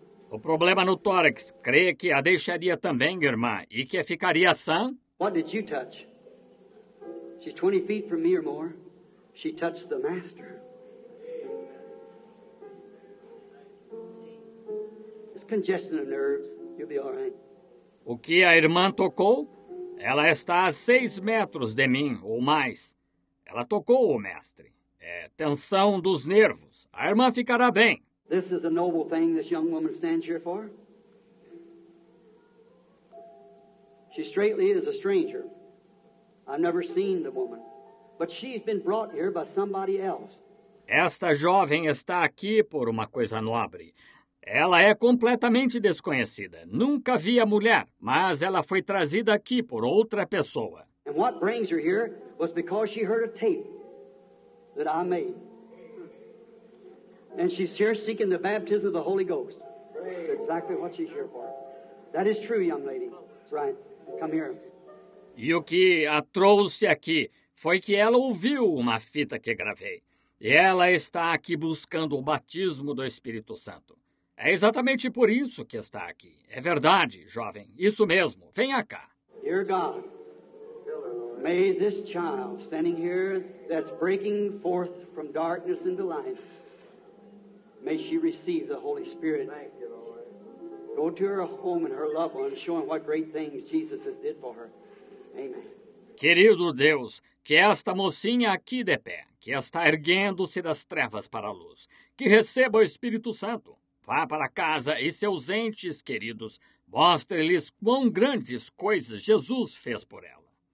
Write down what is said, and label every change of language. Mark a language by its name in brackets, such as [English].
[Portuguese] O problema no tórax, crê que a deixaria também, irmã, e que ficaria sã? [English] What did you touch? She's 20 feet from me or more. She touched the master. It's congestion of nerves. You'll be all right. [Portuguese] O que a irmã tocou? Ela está a 6 metros de mim, ou mais. Ela tocou o mestre. É tensão dos nervos. A irmã ficará bem. [English] This is a noble thing this young woman stands here for. She straightly is a stranger. I've never seen the woman. But she's been brought here by somebody else. [Portuguese] Esta jovem está aqui por uma coisa nobre. Ela é completamente desconhecida. Nunca vi a mulher, mas ela foi trazida aqui por outra pessoa. [English] And what brings her here was because she heard a tape that I made. And she's here seeking the baptism of the Holy Ghost. That's exactly what she's here for. That is true, young lady. That's right. Come here. [Portuguese] E o que a trouxe aqui foi que ela ouviu uma fita que gravei. E ela está aqui buscando o batismo do Espírito Santo. É exatamente por isso que está aqui. É verdade, jovem. Isso mesmo. Venha cá. [English] Dear God, may this child standing here that's breaking forth from darkness into life, may she receive the Holy Spirit. Thank you, Lord. Go to her home and her loved ones, showing what great things Jesus has did for her. Amen. [Portuguese] Querido Deus, que esta mocinha aqui de pé, que está erguendo-se das trevas para a luz, que receba o Espírito Santo. Vá para casa e seus entes queridos, mostre-lhes quão grandes coisas Jesus fez por ela.